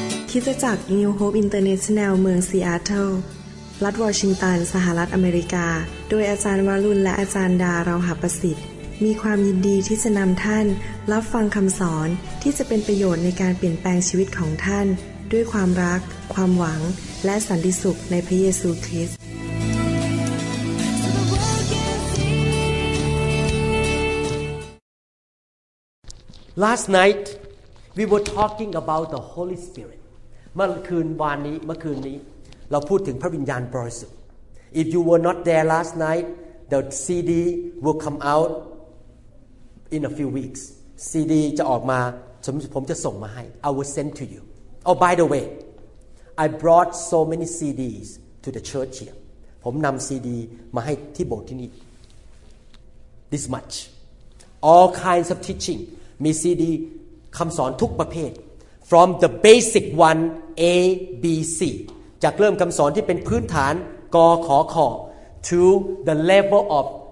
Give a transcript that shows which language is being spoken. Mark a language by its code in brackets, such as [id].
[th] คริสตจักร New Hope International เมืองซีแอตเทิลรัฐวอชิงตันสหรัฐอเมริกาโดยอาจารย์วรุณและอาจารย์ดาราหาประสิทธิ์มีความยินดีที่จะนำท่านรับฟังคำสอนที่จะเป็นประโยชน์ในการเปลี่ยนแปลงชีวิตของท่านด้วยความรักความหวังและสันติสุขในพระเยซูคริสต์ [en] Last nightWe were talking about the Holy Spirit. [th] เมื่อคืนนี้เราพูดถึงพระวิญญาณบริสุทธิ์ [en] If you were not there last night, the CD will come out in a few weeks. [th] CD จะออกมาผมจะส่งมาให้ [en] I will send to you. Oh, by the way, I brought so many CDs to the church here. [th] ผมนำ CD มาให้ที่โบสถ์ที่นี่ [en] This much. All kinds of teaching. [th] มี CDคำสอนทุกประเภท [en] from the basic one A B C [th] จากเริ่มคำสอนที่เป็นพื้นฐานกอขอคอ [en] to the level of